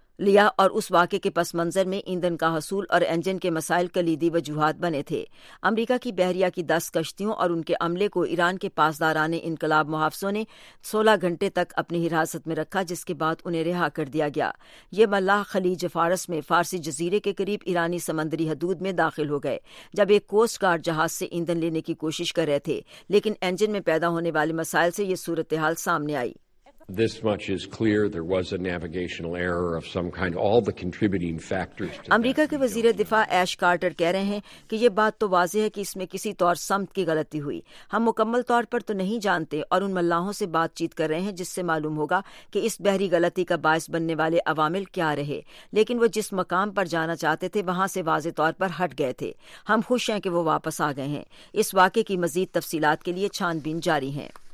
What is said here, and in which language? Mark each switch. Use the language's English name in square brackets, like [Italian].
[Urdu] لیا اور اس واقعے کے پس منظر میں ایندھن کا حصول اور انجن کے مسائل کلیدی وجوہات بنے تھے۔ امریکہ کی بحریہ کی 10 کشتیوں اور ان کے عملے کو ایران کے پاسداران انقلاب محافظوں نے 16 گھنٹے تک اپنی حراست میں رکھا، جس کے بعد انہیں رہا کر دیا گیا۔ یہ ملاح خلیج فارس میں فارسی جزیرے کے قریب ایرانی سمندری حدود میں داخل ہو گئے جب ایک کوسٹ گارڈ جہاز سے ایندھن لینے کی کوشش کر رہے تھے، لیکن انجن میں پیدا ہونے والے مسائل سے یہ صورتحال سامنے آئی۔ [English] This much is clear, there was a navigational error of some kind, all the contributing factors to [Urdu] امریکہ کے وزیر دفاع ایش کارٹر کہہ رہے ہیں کہ یہ بات تو واضح ہے کہ اس میں کسی طور سمت کی غلطی ہوئی، ہم مکمل طور پر تو نہیں جانتے اور ان ملاحوں سے بات چیت کر رہے ہیں جس سے معلوم ہوگا کہ اس بحری غلطی کا باعث بننے والے عوامل کیا رہے، لیکن وہ جس مقام پر جانا چاہتے تھے وہاں سے واضح طور پر ہٹ گئے تھے، ہم خوش ہیں کہ وہ واپس آ گئے ہیں۔ اس واقعے کی مزید تفصیلات کے لیے چھان بین جاری ہیں۔